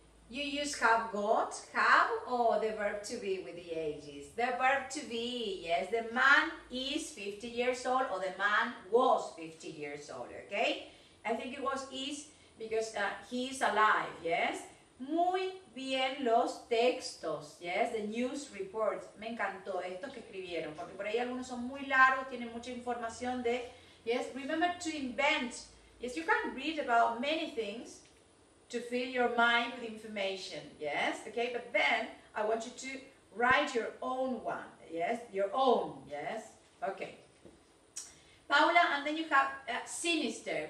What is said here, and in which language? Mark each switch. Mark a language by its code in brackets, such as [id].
[en] You use have got, have, or the verb to be with the ages? The verb to be, yes, the man is 50 years old, or the man was 50 years old, okay? I think it was is, because he is alive, yes? [es] Muy bien los textos, yes? [en] The news reports. [es] Me encantó estos que escribieron, porque por ahí algunos son muy largos, tienen mucha información de, yes? [en] Remember to invent. Yes, you can read about many things to fill your mind with information, yes? Okay, but then I want you to write your own one, yes? Your own, yes? Okay. Paula, and then you have sinister.